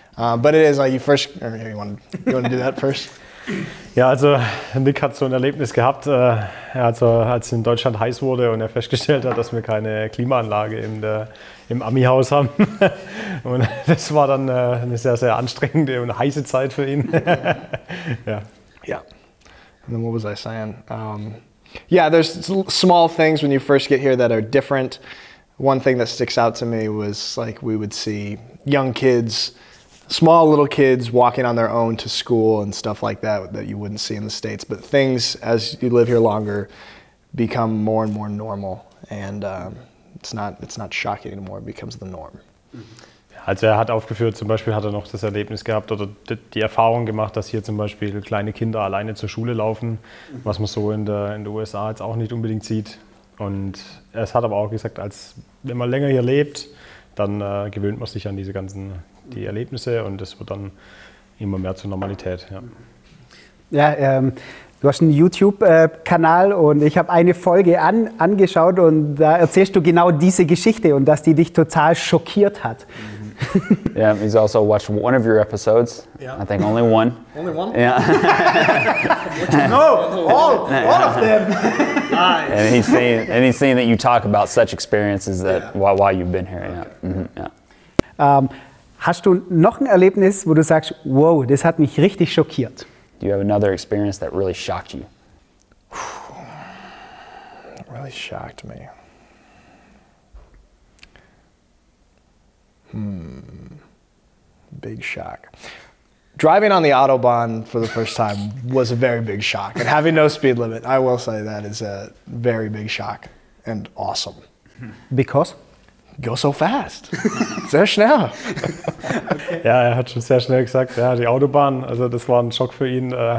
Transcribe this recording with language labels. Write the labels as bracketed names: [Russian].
[English] But it is like you first, or you want to do that first? [German] Ja, also Nick hat so ein Erlebnis gehabt, als es in Deutschland heiß wurde und er festgestellt hat, dass wir keine Klimaanlage im Ami-Haus haben. Und das war dann eine sehr, sehr anstrengende und heiße Zeit für ihn. [English] Ja. Ja. And then what was I saying? Yeah, there's small things when you first get here that are different. One thing that sticks out to me was like we would see young kids small little kids walking on their own to school and stuff like that that you wouldn't see in the States. But things, as you live here longer, become more and more normal. And it's not shocking anymore. It becomes the norm. [German] Also er hat aufgeführt, zum Beispiel hat er noch das Erlebnis gehabt oder die Erfahrung gemacht, dass hier zum Beispiel kleine Kinder alleine zur Schule laufen, was man so in der USA jetzt auch nicht unbedingt sieht. Und er hat aber auch gesagt, als wenn man länger hier lebt, dann gewöhnt man sich an diese ganzen die Erlebnisse und es wird dann immer mehr zur Normalität. Ja, du hast einen YouTube-Kanal und ich habe eine Folge angeschaut und da erzählst du genau diese Geschichte und dass die dich total schockiert hat. [English] Yeah, he's also watched one of your episodes. Yeah. I think only one. Only one? Yeah. all of them. Nice. And he's seen that you talk about such experiences that while you've been here. Okay. Yeah. Mm-hmm. Yeah. [German] Hast du noch ein Erlebnis, wo du sagst, wow, das hat mich richtig schockiert? [English] Do you have another experience that really shocked you? It really shocked me. Big shock. Driving on the Autobahn for the first time was a very big shock. And having no speed limit, I will say that is a very big shock and awesome. Because? Go so fast. [German] Sehr schnell. Ja, er hat schon sehr schnell gesagt, ja, die Autobahn, also das war ein Schock für ihn.